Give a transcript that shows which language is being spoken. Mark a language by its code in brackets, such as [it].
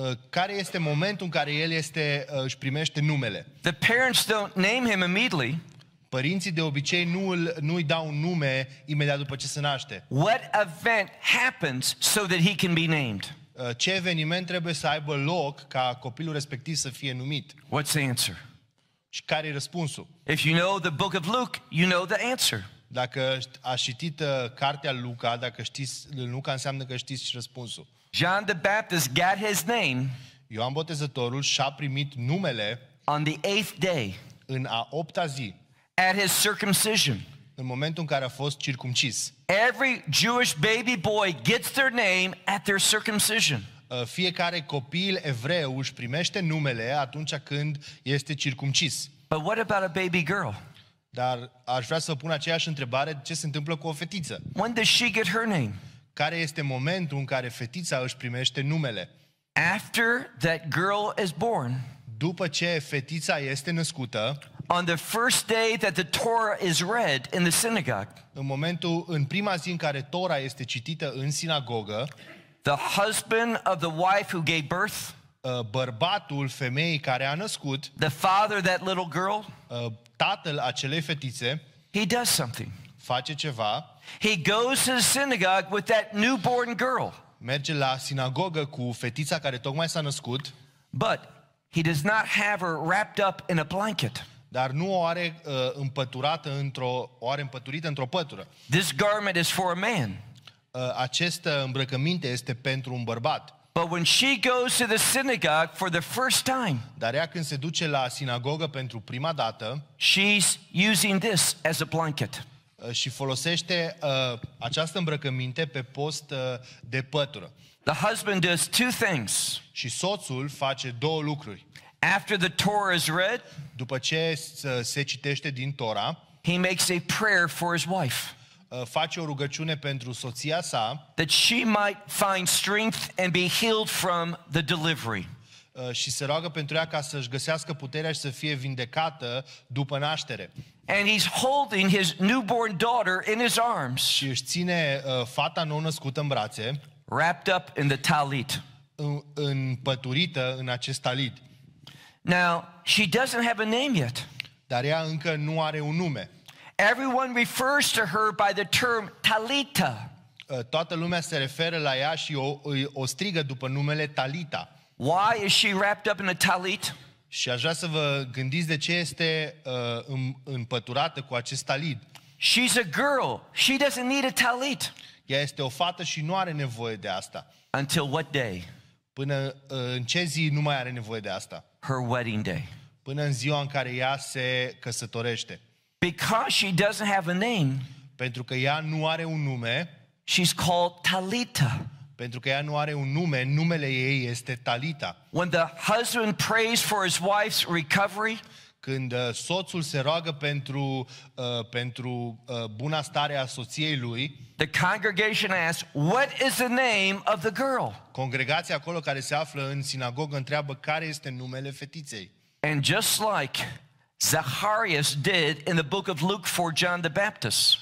[ro] Care este momentul în care el își primește numele? [en] The parents don't name him immediately. [ro] Părinții de obicei nu-i dau un nume imediat după ce se naște. [en] What event happens so that he can be named? [ro] Ce eveniment trebuie să aibă loc ca copilul respectiv să fie numit? [en] What's the answer? [ro] Și care e răspunsul? [en] If you know the book of Luke, you know the answer. [ro] Dacă ai citit cartea Luca, dacă știți Luca, înseamnă că știți și răspunsul. [en] John the Baptist got his name. [ro] Ioan Botezătorul și-a primit numele. [en] On the eighth day. [ro] În a opta zi. [en] At his circumcision. [ro] În momentul în care a fost circumcis. [en] Every Jewish baby boy gets their name at their circumcision. [ro] Fiecare copil evreu își primește numele atunci când este circumcis. [en] But what about a baby girl? [ro] Dar aș vrea să pun aceeași întrebare, ce se întâmplă cu o fetiță? [en] When does she get her name? [ro] Care este momentul în care fetița își primește numele? [en] After that girl is born. [ro] După ce fetița este născută. [en] On the first day that the Torah is read in the synagogue. [ro] În prima zi în care Tora este citită în sinagogă. [en] The husband of the wife who gave birth. [ro] Bărbatul femeii care a născut. [en] The father of that little girl. [ro] Tatăl acelei fetițe. [en] He does something. [ro] Face ceva. [en] He goes to the synagogue with that newborn girl. [ro] Merge la sinagogă cu fetița care tocmai s-a născut. [en] But he does not have her wrapped up in a blanket. [ro] Dar nu o are împăturată împăturită într-o pătură. [en] This garment is for a man. [ro] Această îmbrăcăminte este pentru un bărbat. [en] But when she goes to the synagogue for the first time, [ro] dar ea când se duce la sinagogă pentru prima dată, [en] she's using this as a blanket. [ro] Și folosește această îmbrăcăminte pe post de pătură. [en] The husband does two things. [ro] Și soțul face două lucruri. [en] After the Torah is read, [ro] după ce se citește din Tora, [en] he makes a prayer for his wife. [ro] Face o rugăciune pentru soția sa, [en] that she might find strength and be healed from the delivery. [ro] Și se roagă pentru ea ca să-și găsească puterea și să fie vindecată după naștere. [en] And he's holding his newborn daughter in his arms. [ro] Și își ține fata nou-născută în brațe, [en] wrapped up in the talit. [ro] Împăturită în acest talit. [en] Now, she doesn't have a name yet. [ro] Dar ea încă nu are un nume. [en] Everyone refers to her by the term Talita. [ro] Toată lumea se referă la ea și o strigă după numele Talita. [en] Why is she wrapped up in a talit? [ro] Și aș vrea să vă gândiți de ce este împăturată cu acest talit. [en] She's a girl. She doesn't need a talit. [ro] Ea este o fată și nu are nevoie de asta. [en] Until what day? [ro] Până în ce zi nu mai are nevoie de asta? [en] Her wedding day. [ro] Până în ziua în care ea se căsătorește. [en] Because she doesn't have a name, [ro] pentru că ea nu are un nume, [en] she's called Talita. [ro] pentru că ea nu are un nume, numele ei este Talita. [en] When the husband prays for his wife's recovery, [ro] când soțul se roagă pentru pentru buna stare a soției lui, [en] the congregation asks, what is the name of the girl? [ro] Congregația acolo care se află în sinagogă întreabă care este numele fetiței. [en] And just like Zacharias did in the book of Luke for John the Baptist.